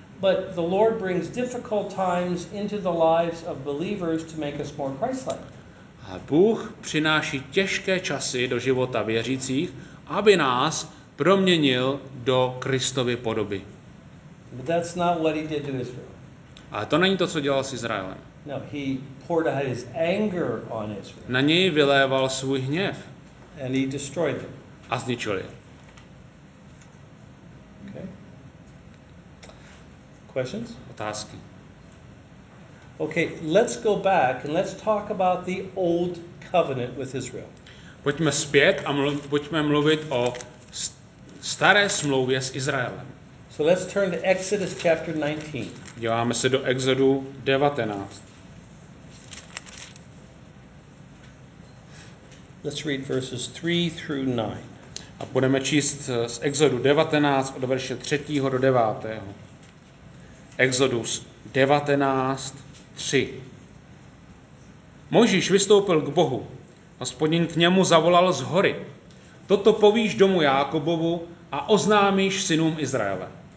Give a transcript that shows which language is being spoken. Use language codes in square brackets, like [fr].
[en] But the Lord brings difficult times into the lives of believers to make us more Christ-like. [cs] A Bůh přináší těžké časy do života věřících, aby nás proměnil do Kristovy podoby. [en] But that's not what he did to Israel. [cs] A to není to, co dělal s Izraelem. [en] No, he poured out his anger on Israel. [cs] Na něj vyléval svůj hněv. [en] And he destroyed them. [cs] A zničil je. [en] Questions? [cs] Otázky. [en] Okay, let's go back and let's talk about the old covenant with Israel. [cs] Pojďme zpět a pojďme mluvit o staré smlouvě s Izraelem. [en] So let's turn to Exodus chapter 19. [cs] Díváme se do Exodu 19. [en] Let's read verses 3 through 9. [cs] A budeme číst z Exodu 19 od verše 3. do 9. Exodus 19:3. Mojžíš vystoupil k Bohu. Hospodin k němu zavolal z hory. Toto povíš domu Jákobovu a oznámíš synům Izraele.